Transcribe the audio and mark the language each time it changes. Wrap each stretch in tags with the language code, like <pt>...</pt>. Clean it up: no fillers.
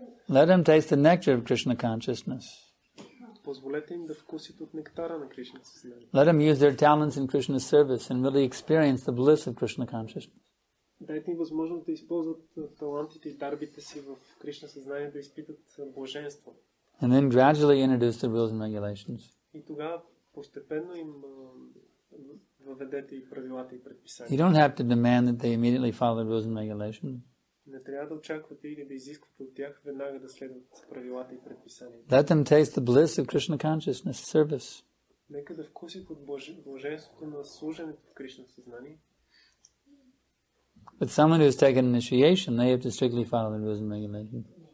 <en>Let them taste the nectar of Krishna consciousness.</en> <bg>Позволете им да вкусят от нектара на Кришна съзнание.</bg> <en>Let them use their talents in Krishna service and really experience the bliss of Krishna consciousness.</en> <bg>Дайте им възможност да използват талантите и дарбите си в Кришна съзнание да изпитат блаженство.</bg> <en>And then gradually introduce the rules and regulations.</en> <bg>И тогава постепенно им въведете и правилата и предписания.</bg> <en>You don't have to demand that they immediately follow the rules and regulations.</en> <bg>Не трябва да очаквате или да изисквате от тях веднага да следват правилата и предписанията.</bg> <en>Let them taste the bliss of Krishna consciousness service.</en> <bg>Нека да вкусят от блаженството на служенето в Кришна съзнание.</bg> <en>But someone who has taken initiation, they have to strictly follow the rules and regulations.</en>